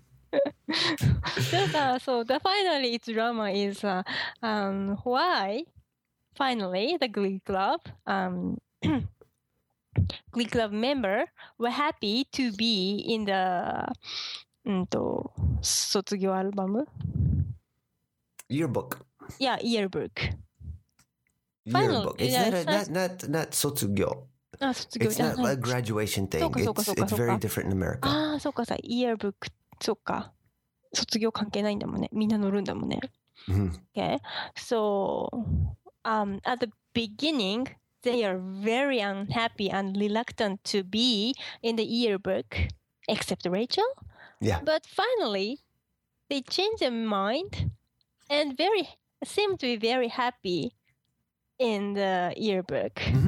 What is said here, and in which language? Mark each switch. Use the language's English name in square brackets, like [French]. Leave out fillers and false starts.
[Japanese] だから、 [English] so the finally it's drama is why finally the Glee Club Glee Club member were happy to be in the 卒業アルバム? Yearbook. Yeah, yearbook. Yearbook. It's not 卒業. It's not a graduation thing. It's very different in America. [Japanese] Ah, そうかさ, yearbook そうか。卒業関係ないんだもんね。みんな乗るんだもんね。 [English] Okay. So, at the beginning, they are very unhappy and reluctant to be in the yearbook, except Rachel. Yeah. But finally, they change their mind and very seem to be very happy in the yearbook.